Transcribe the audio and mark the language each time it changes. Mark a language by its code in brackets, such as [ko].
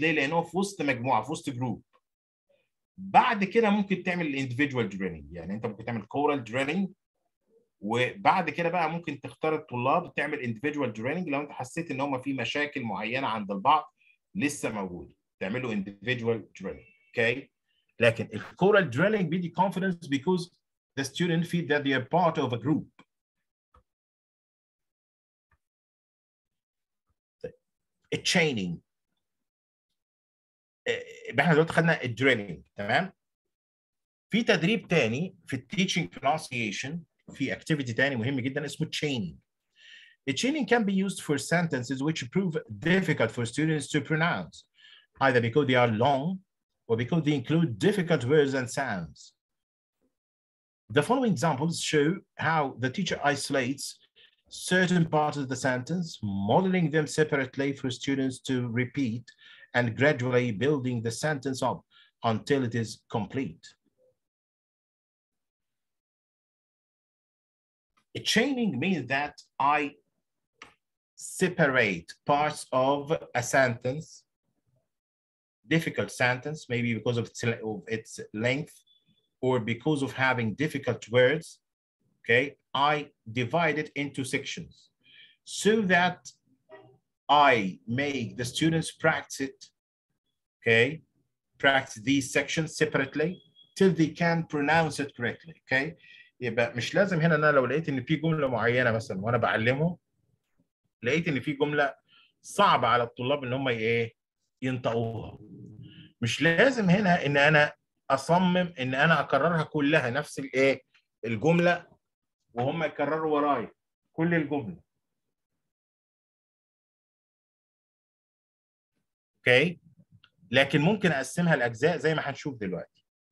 [ar] ليه؟ لان هو في وسط مجموعه في وسط جروب. بعد كده ممكن تعمل الانديفيدوال دريلينج، يعني انت ممكن تعمل كورال دريلينج وبعد كده بقى ممكن تختار الطلاب تعمل [en] individual training [ar] لو انت حسيت ان هم في مشاكل معينة عند البعض لسه موجود تعملوا individual training. [en] okay. لكن ال choral drilling بيدي confidence because the student feel that they are part of a group. [ar] chaining احنا دلوقتي خدنا drilling. تمام. في تدريب تاني في teaching pronunciation، في اكتيفيتي تاني مهم جدا اسمه chaining. [en] chaining can be used for sentences which prove difficult for students to pronounce either because they are long or because they include difficult words and sounds. The following examples show how the teacher isolates certain parts of the sentence, modeling them separately for students to repeat and gradually building the sentence up until it is complete. A chaining means that I separate parts of a sentence, difficult sentence, maybe because of its length or because of having difficult words, okay? I divide it into sections so that I make the students practice it, okay? Practice these sections separately till they can pronounce it correctly, okay? [ar] يبقى مش لازم هنا انا لو لقيت ان في جمله معينه مثلا وانا بعلمه لقيت ان في جمله صعبه على الطلاب ان هم ايه ينطقوها مش لازم هنا ان انا اصمم ان انا اكررها كلها نفس الايه الجمله وهم يكرروا ورايا كل الجمله اوكي لكن ممكن اقسمها لاجزاء زي ما هنشوف دلوقتي